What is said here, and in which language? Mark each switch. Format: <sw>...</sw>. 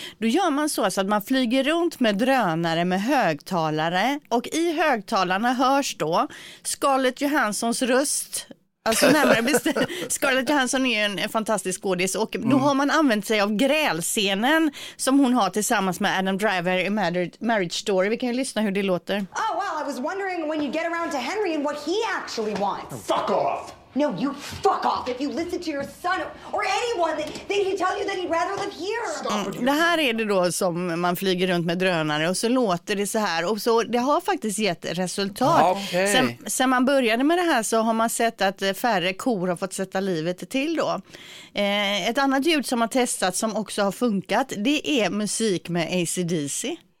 <sv>Då gör man så att man flyger runt med drönare med högtalare, och i högtalarna hörs då Scarlett Johanssons röst. Alltså närmare bestämt, Scarlett Johansson är ju en fantastisk skådis, och då har man använt sig av grälscenen som hon har tillsammans med Adam Driver i Marriage Story. Vi kan ju lyssna hur det låter.</sv> <en>Oh well, I was wondering when you get around to Henry and what he actually wants. Fuck off! No, you fuck off. If you listen to your son or anyone, then he tell you that he'd rather live here.</en> <sv>Det här är det då som man flyger runt med drönare, och så låter det så här. Och så det har faktiskt gett resultat.</sv> <en>Okay.</en> <sv>Sen man började med det här så har man sett att färre kor har fått sätta livet till då. Ett annat ljud som har testats som också har funkat, det är musik med AC/DC.</sv>